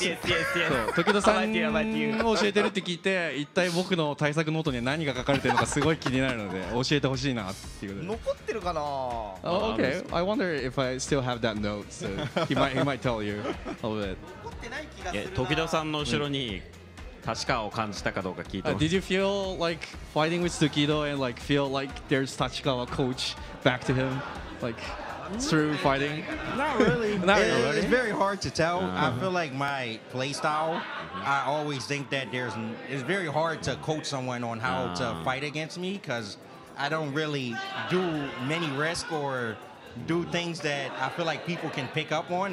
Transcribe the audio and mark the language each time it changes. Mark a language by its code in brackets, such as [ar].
[ja] そう、時戸さんを教えてるって聞いて、一体僕の対策ノートには何が書かれてるのかすごい気になるので教えてほしいなっていうことで。残ってるかな。 [en] Okay, I wonder if I still have that note, so he might tell you a little bit. [ja] 残ってない気がするな。時戸さんの後ろに確かを感じたかどうか聞いてます。 [en] Did you feel like fighting with Tokido and like feel like there's Tachikawa coach back to him? Like... through fighting? Not really. Not really. It's very hard to tell. I feel like my play style, I always think that it's very hard to coach someone on how to fight against me because I don't really do many risks or do things that I feel like people can pick up on.